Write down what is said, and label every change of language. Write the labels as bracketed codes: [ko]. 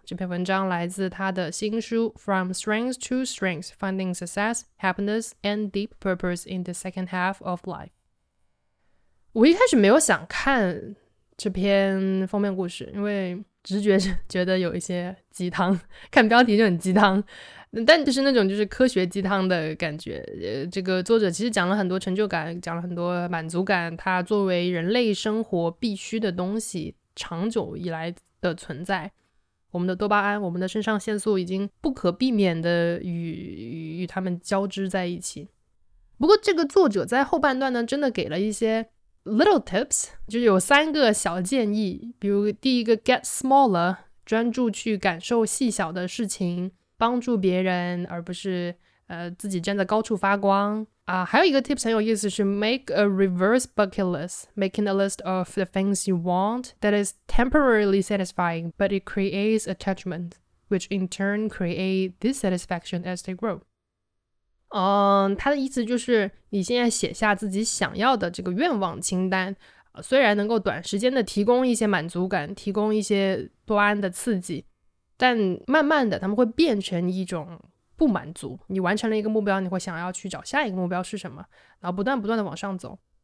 [zh] 这篇文章来自他的新书《 [en] From Strengths to Strengths: Finding Success, Happiness, and Deep Purpose in the Second Half of Life》。 [zh] 我一开始没有想看这篇封面故事，因为直觉觉得有一些鸡汤，看标题就很鸡汤，但就是那种就是科学鸡汤的感觉。这个作者其实讲了很多成就感，讲了很多满足感，它作为人类生活必须的东西，长久以来的存在，我们的多巴胺，我们的肾上腺素已经不可避免的与它们交织在一起。不过这个作者在后半段呢，真的给了一些 little tips, 就有三个小建议，比如第一个 [en] get smaller, [zh] 专注去感受细小的事情，帮助别人而不是自己站在高处发光。还有一个 tips 很有意思是 [en] make a reverse bucket list, making a list of the things you want that is temporarily satisfying, but it creates attachment, which in turn create dissatisfaction as they grow. [zh] 他的意思就是你现在写下自己想要的这个愿望清单，虽然能够短时间的提供一些满足感，提供一些多胺的刺激，但慢慢的他们会变成一种不满足，你完成了一个目标，你会想要去找下一个目标是什么，然后不断不断的往上走。